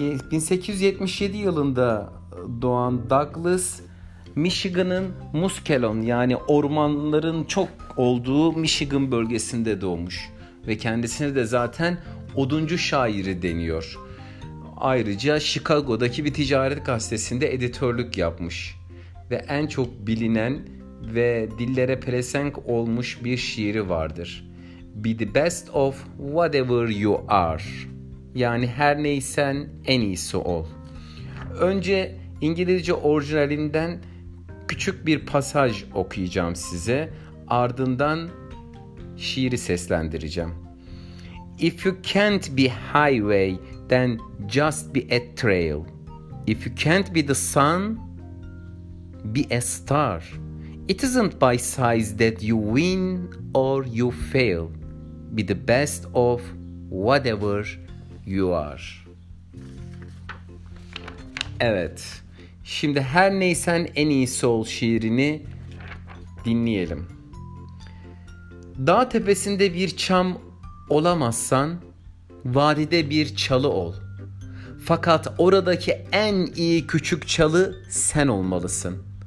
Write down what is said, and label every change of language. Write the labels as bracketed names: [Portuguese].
[Turkish] 1877 yılında doğan Douglas, Michigan'ın Muskegon yani ormanların çok olduğu Michigan bölgesinde doğmuş. Ve kendisine de zaten oduncu şairi deniyor. Ayrıca Chicago'daki bir ticaret gazetesinde editörlük yapmış. Ve en çok bilinen ve dillere pelesenk olmuş bir şiiri vardır. [English] Be the best of whatever you are. [Turkish] Yani her neysen en iyisi ol. Önce İngilizce orijinalinden küçük bir pasaj okuyacağım size. Ardından şiiri seslendireceğim. [English] If you can't be highway, then just be a trail. If you can't be the sun, be a star. It isn't by size that you win or you fail. Be the best of whatever you are. [Turkish] Evet, şimdi her neysen en iyisi ol şiirini dinleyelim. Dağ tepesinde bir çam olamazsan, vadide bir çalı ol. Fakat oradaki en iyi küçük çalı sen olmalısın.